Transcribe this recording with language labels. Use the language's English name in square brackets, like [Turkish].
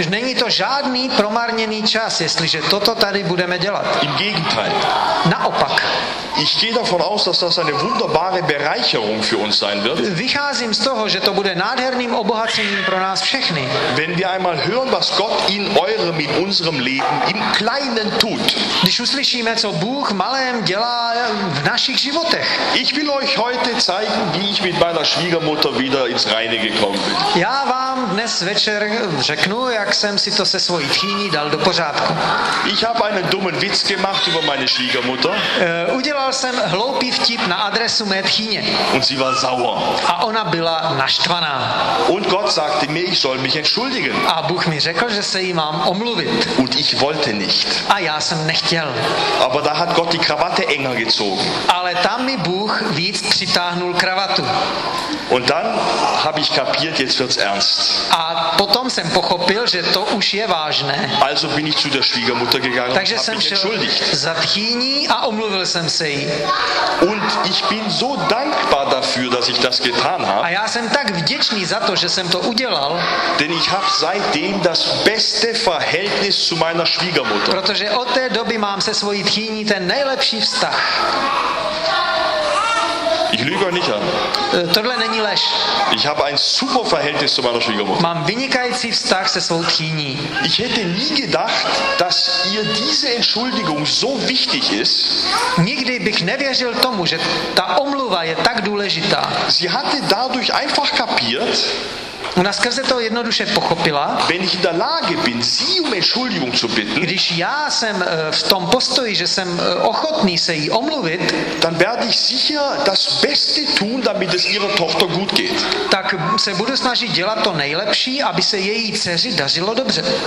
[Czech] Už není to žádný promarněný čas, jestliže toto tady budeme dělat. [German] Im Gegenteil. [Czech] Naopak. [German] Ich gehe davon aus, dass das eine wunderbare Bereicherung für uns sein wird. [Czech] Vycházím z toho, že to bude nádherným obohacením pro nás všechny. [German] Wenn wir einmal hören, was Gott in eurem, in unserem Leben im Kleinen tut. [Czech] Když uslyšíme, co Bůh malém dělá v našich životech. [German] Ich will euch heute zeigen, wie ich mit meiner Schwiegermutter wieder ins Reine gekommen bin. [Czech] Já vám dnes večer řeknu, jak jsem si to se svojí tchýní dal do pořádku. [German] Ich habe einen dummen Witz gemacht über meine Schwiegermutter. [Czech] Udělal jsem hloupý vtip na adresu mé tchýně. [German] Und sie war sauer. [Czech] A ona byla naštvaná. [German] Und Gott sagte mir, ich soll mich entschuldigen. [Czech] A Bůh mi řekl, že se jí mám omluvit. [German] Und ich wollte nicht. [Czech] A já jsem nechtěl. [German] Aber da hat Gott die Krawatte enger gezogen. [Czech] Ale tam mi Bůh víc přitáhnul kravatu. [German] Und dann habe ich kapiert, jetzt wird's ernst. [Czech] A potom jsem pochopil, že to už je vážné. [German] Also bin ich zu der Schwiegermutter gegangen. [Czech] Takže jsem šel za tchýní a omluvil jsem se jí. [German] Und ich bin so dankbar dafür, dass ich das getan habe. [Czech] A já jsem tak vděčný za to, že jsem to udělal. [German] Denn ich habe seitdem das beste Verhältnis zu meiner Schwiegermutter. [Czech] Protože od té doby mám se svojí tchýní ten nejlepší vztah. [German] Ich lüge euch nicht an. [Czech] Tohle není lež. [German] Ich habe ein super Verhältnis zu meiner Schwiegermutter. [Czech] Mám vynikající vztah se svou tchýní. [German] Ich hätte nie gedacht, dass ihr diese Entschuldigung so wichtig ist. [Czech] Nikdy bych nevěřil tomu, že ta omluva je tak důležitá. [German] Sie hatte dadurch einfach kapiert. [Czech] Ona skrze to jednoduše pochopila. [German] Wenn ich in der Lage bin, sie um Entschuldigung zu bitten. [Czech] Když já jsem v tom postoji, že jsem ochotný se jí omluvit, [German] dann werde ich sicher das Beste tun, damit es ihrer Tochter gut geht. [Czech] Tak se budu snažit dělat to nejlepší, aby se její dceři dařilo dobře.